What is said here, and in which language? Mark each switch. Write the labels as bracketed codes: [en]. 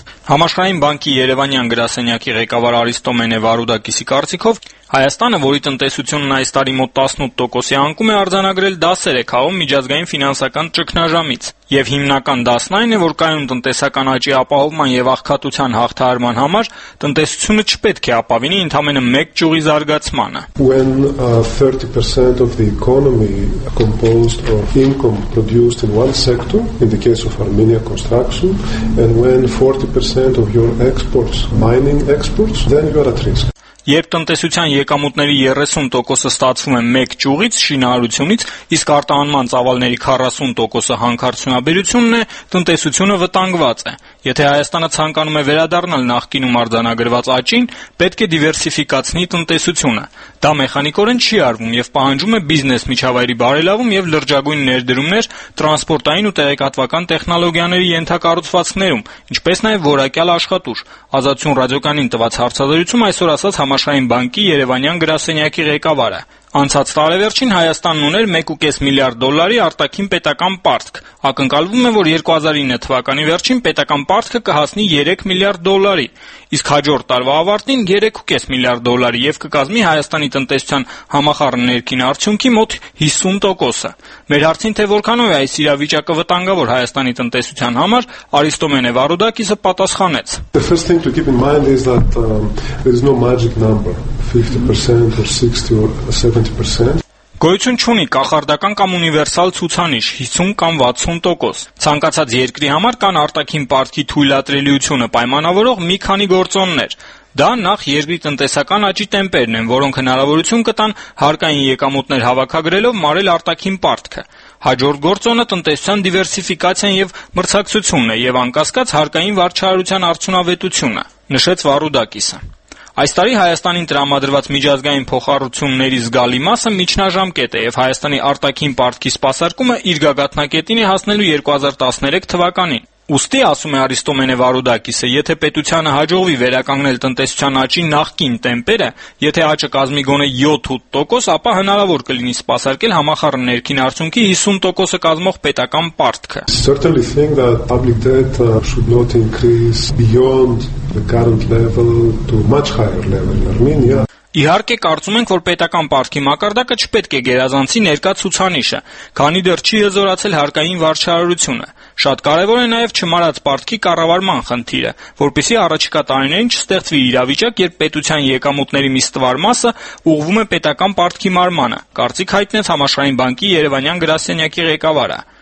[hy] Համաշխարհային բանկի Երևանյան գրասենյակի ղեկավար Արիստոմենե Վարուդակիսի կարծիքով Հայաստանը, որի տնտեսությունն այս տարի մոտ 18% անկում է, արձանագրել 10% միջազգային ֆինանսական ճգնաժամից, եւ հիմնական դասն այն է, որ կայուն տնտեսական աճի ապահովման եւ աղքատության հաղթահարման համար տնտեսությունը չպետք է ապավինի ընդամենը 1 ճյուղի զարգացմանը։ [en] When 30% of the economy composed of income produced in one sector, in the case of Armenia construction, and when 40% of your exports, mining exports, then you are at risk. [hy] Երբ տնտեսության եկամուտների 30%-ը ստացվում է 1 ճյուղից, շինարարությունից, իսկ արտահանման ծավալների 40%-ը հանքարդյունաբերությունն է, տնտեսությունը վտանգված է։ Եթե Հայաստանը ցանկանում է վերադառնալ նախկինում արձանագրված աճին, պետք է դիվերսիֆիկացնի տնտեսությունը։ Դա մեխանիկորեն չի արվում եւ պահանջում է բիզնես միջավայրի բարելավում եւ լրջագույն ներդրումներ տրանսպորտային ու տեղեկատվական տեխնոլոգիաների ենթակառուցվածքներում, ինչպես նաեւ որակյալ աշխատուժ։ Ազատություն ռադիոկանին տված հարցազրույցում այսօր ասաց Համաշխարհային բանկի Երևանյան գրասենյակի ղեկավարը. Անցած տարեվերջին Հայաստանն ուներ 1.5 միլիարդ դոլարի արտաքին պետական պարտք։ Ակնկալվում է, որ 2009 թվականի վերջին պետական պարտքը կհասնի 3 միլիարդ դոլարի, իսկ հաջորդ տարվա ավարտին 3.5 միլիարդ դոլարի եւ կկազմի Հայաստանի տնտեսության համախառն ներքին արդյունքի մոտ 50%-ը։ Մեր հարցին, թե որքանով է այս իրավիճակը վտանգավոր Հայաստանի տնտեսության համար, Արիստոմենե Վարուդակիսը պատասխանեց. [en] The first thing to keep in mind is that there is no magic number. 50% or 60% or 70%. [hy] Գոյություն չունի կախարդական կամ ունիվերսալ ցուցանիշ 50 կամ 60%։ Ցանկացած երկրի համար կան արտաքին պարտքի թույլատրելիությունը պայմանավորող մի քանի գործոններ։ Դա նախ երկրի տնտեսական աճի տեմպերն են, որոնք հնարավորություն կտան հարկային եկամուտներ հավաքագրելով մարել արտաքին պարտքը։ Հաջորդ գործոնը տնտեսության դիվերսիֆիկացիան եւ մրցակցությունն է եւ անկասկած հարկային վարչարարության արդյունավետությունը, նշեց Վարուդակիսը։ Այս տարի Հայաստանին տրամադրված միջազգային փոխառությունների զգալի մասը միջնաժամկետ է եւ Հայաստանի արտաքին պարտքի սպասարկումը իր գագաթնակետին է հասնելու 2013 թվականին։ Ուստի, ասում է Արիստոմենե Վարուդակիսը, եթե պետությանը հաջողվի վերականգնել տնտեսության աճի նախկին տեմպերը, եթե աճը կազմի գոնե 7-8%, ապա հնարավոր կլինի սպասարկել համախառն ներքին արդյունքի 50%-ը կազմող պետական պարտքը։ [en] Certainly think that public debt should not increase beyond the current level to much higher level in Armenia. [hy] Իհարկե կարծում ենք, որ պետական պարտքի մակարդակը չպետք է գերազանցի ներկա ցուցանիշը, քանի դեռ չի եզորացել հարկային վարչարարությունը։ Շատ կարևոր է նաև չմարած պարտքի կառավարման խնդիրը, որպեսզի առաջիկա տարիներին չստեղծվի իրավիճակ, երբ պետության եկամուտների մի ստվար մասը ուղղվում է պետական պարտքի մարմանը, կարծիք հայտնեց Համաշխարհային բանկի Երևանյան գրասենյակի ղեկավարը։